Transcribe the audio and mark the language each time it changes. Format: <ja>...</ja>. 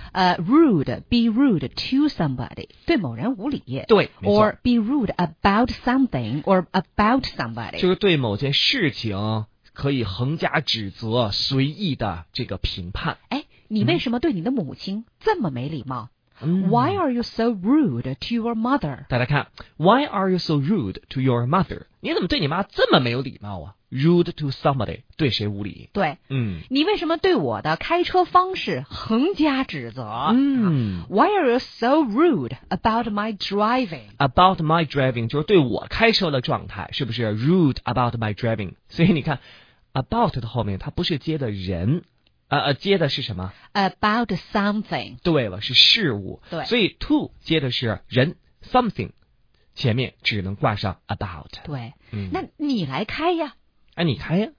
<en>Rude， be rude to somebody，</en> <zh>对某人无礼。对</zh> <en>，or be rude about something or about somebody，</en> <zh>就是对某件事情可以横加指责，随意的这个评判。哎，你为什么对你的母亲这么没礼貌？</zh> <en>Why are you so rude to your mother？</en> <zh>大家看</zh> <en>，Why are you so rude to your mother？</en> <zh>你怎么对你妈这么没有礼貌啊 ？</zh> <en>Rude to somebody，</en> <zh>对谁无礼？对，嗯，你为什么对我的开车方式横加指责？嗯、</zh> <en>，Why are you so rude about my driving？ About my driving</en> <zh>就是对我开车的状态，是不是</zh> <en>？Rude about my driving。</en> <zh>所以你看 ，about 的后面它不是接的人。接的是什么</zh> <en>？About something。</en> <zh>对了，是事物。对，所以 to 接的是人 ，something 前面只能挂上 about。对，嗯，那你来开呀。哎，你开呀，</zh>